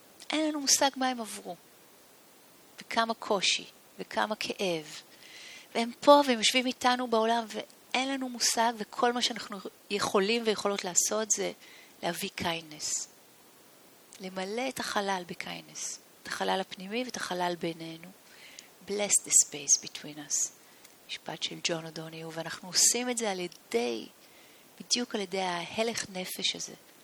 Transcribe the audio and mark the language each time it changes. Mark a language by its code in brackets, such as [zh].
[he] אין לנו מושג מה הם עברו. וכמה קושי, וכמה כאב. והם פה והם יושבים איתנו בעולם ואין לנו מושג, וכל מה שאנחנו יכולים ויכולות לעשות זה להביא kindness. למלא את החלל בקיינס. את החלל הפנימי ואת החלל בינינו. [en] Bless the space between us. [he] משפט של ג'ון אדוניו, ואנחנו עושים את זה על ידי, בדיוק על ידי ההלך נפש הזה.